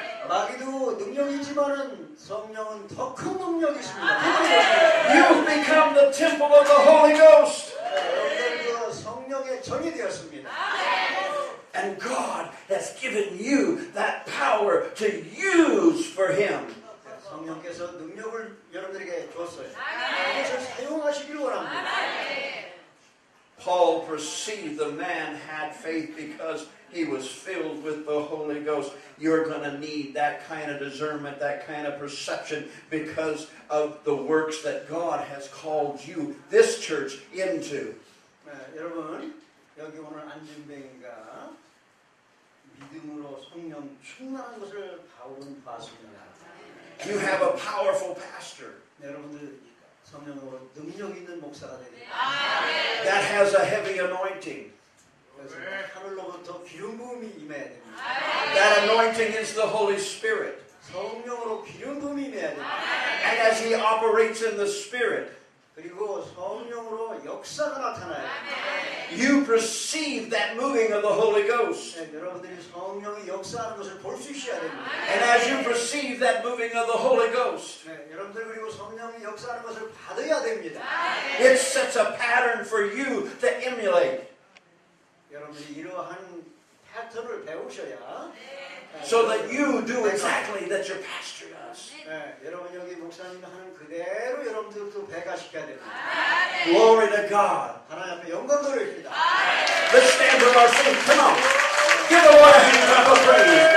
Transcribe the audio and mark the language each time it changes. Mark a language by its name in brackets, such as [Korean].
[Korean] 마귀도 능력이지만은 성령은 더 큰 능력이십니다. [English] You've become the temple of the Holy Ghost. [Korean] 성령의 전이 되었습니다. [English] And God has given you that power to use for Him. [Korean] 성령께서 능력을 여러분들에게 주었어요. 그것을 사용하시기를 원합니다. [English] Paul perceived the man had faith because he was filled with the Holy Ghost. You're going to need that kind of discernment, that kind of perception because of the works that God has called you, this church, into. [Korean] 여러분, 여기 오늘 앉은 뱅이가 믿음으로 성령 충만한 것을 바울은 봤습니다. [English] You have a powerful pastor. [Korean] 여러분들, 성령으로 능력 있는 목사가 되게. [English] That has a heavy anointing. [Korean] 하늘로부터 기름 부음이 임해야 됩니다. [English] That anointing is the Holy Spirit. [Korean] 성령으로 기름 부음이 임해야 됩니다. [English] And as He operates in the Spirit, [Korean] 그리고 성령으로 역사가 나타나요. [English] You perceive that moving of the Holy Ghost. [Korean] 여러분들이 성령이 역사하는 것을 볼 수 있어야 됩니다. [English] And as you perceive that moving of the Holy Ghost, [Korean] 여러분들 그리고 성령이 역사하는 것을 받아야 됩니다. [English] It sets a pattern for you to emulate. [Korean] 여러분들이 이러한 패턴을 배우셔야 [English] so that you do exactly that your pastor does. [Korean] 여러분 여기 목사님 하는 그대로 여러분들도 배가시켜야 됩니다. [English] Glory to God. [Korean] 하나님 앞에 영광 돌립니다. [English] Let's stand with our feet. Come on. Give the Lord a hand clap of praise.